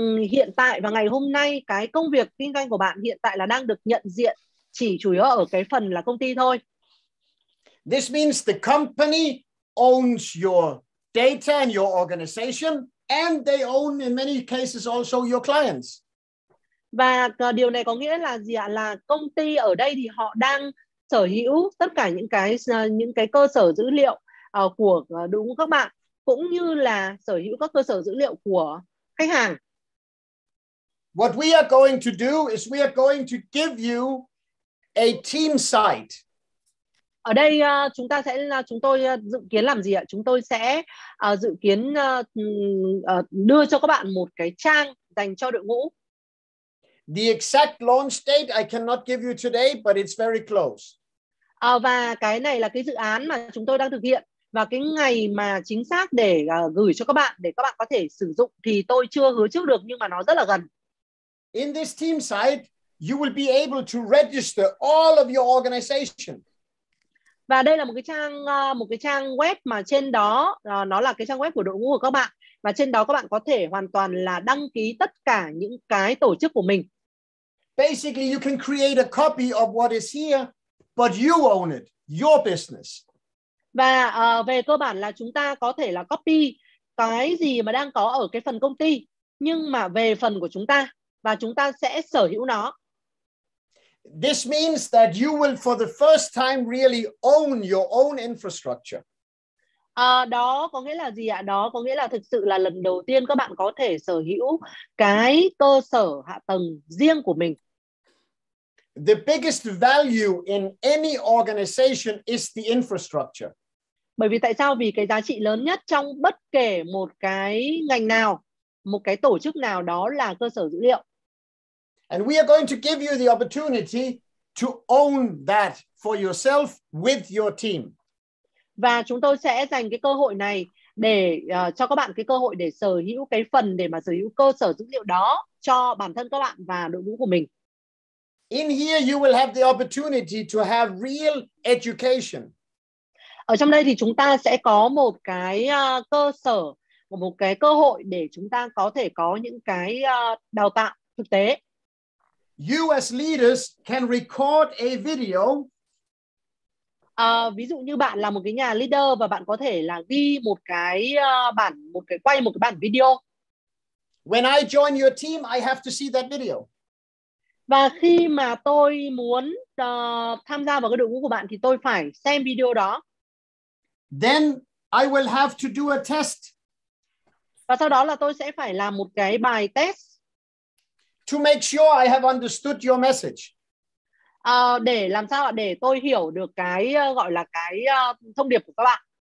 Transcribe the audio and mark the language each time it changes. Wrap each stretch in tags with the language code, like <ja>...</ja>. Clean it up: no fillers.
<vi>Hiện tại và ngày hôm nay cái công việc kinh doanh của bạn hiện tại là đang được nhận diện chỉ chủ yếu ở cái phần là công ty thôi.</vi> <en>This means the company owns your data and your organization, and they own in many cases also your clients.</en> <vi>Và điều này có nghĩa là gì ạ? Là công ty ở đây thì họ đang sở hữu tất cả những cái cơ sở dữ liệu của đúng các bạn, cũng như là sở hữu các cơ sở dữ liệu của khách hàng.</vi> <en>What we are going to do is we are going to give you a team site.</en> <vi>Ở đây chúng tôi dự kiến làm gì ạ? Chúng tôi sẽ dự kiến đưa cho các bạn một cái trang dành cho đội ngũ.</vi> <en>The exact launch date I cannot give you today, but it's very close.</en> <vi>Và cái này là cái dự án mà chúng tôi đang thực hiện. Và cái ngày mà chính xác để gửi cho các bạn, để các bạn có thể sử dụng thì tôi chưa hứa trước được, nhưng mà nó rất là gần.</vi> <en>In this team site, you will be able to register all of your organization.</en> <vi>Và đây là một cái trang web mà trên đó, nó là cái trang web của đội ngũ của các bạn. Và trên đó các bạn có thể hoàn toàn là đăng ký tất cả những cái tổ chức của mình.</vi> <en>Basically, you can create a copy of what is here, but you own it, your business.</en> <vi>Và về cơ bản là chúng ta có thể là copy cái gì mà đang có ở cái phần công ty, nhưng mà về phần của chúng ta, và chúng ta sẽ sở hữu nó.</vi> <en>This means that you will for the first time really own your own infrastructure.</en> <vi>Đó có nghĩa là gì ạ? Đó có nghĩa là thực sự là lần đầu tiên các bạn có thể sở hữu cái cơ sở hạ tầng riêng của mình.</vi> <en>The biggest value in any organization is the infrastructure.</en> <vi>Bởi vì tại sao? Vì cái giá trị lớn nhất trong bất kể một cái ngành nào, một cái tổ chức nào đó là cơ sở dữ liệu.</vi> <en>And we are going to give you the opportunity to own that for yourself with your team.</en> <vi>Và chúng tôi sẽ dành cái cơ hội này để cho các bạn cái cơ hội để sở hữu cái phần để mà sở hữu cơ sở dữ liệu đó cho bản thân các bạn và đội ngũ của mình.</vi> <en>In here you will have the opportunity to have real education.</en> <vi>Ở trong đây thì chúng ta sẽ có một cái cơ sở, một cái cơ hội để chúng ta có thể có những cái đào tạo thực tế.</vi> <en>You as leaders can record a video.</en> <vi>Ví dụ như bạn là một cái nhà leader và bạn có thể là ghi một cái bản, một cái quay một cái bản video.</vi> <en>When I join your team, I have to see that video.</en> <vi>Và khi mà tôi muốn tham gia vào cái đội ngũ của bạn thì tôi phải xem video đó.</vi> <en>Then I will have to do a test.</en> <vi>Và sau đó là tôi sẽ phải làm một cái bài test.</vi> <en>To make sure I have understood your message.</en> <vi>Để làm sao ạ? Để tôi hiểu được cái gọi là cái thông điệp của các bạn.</vi>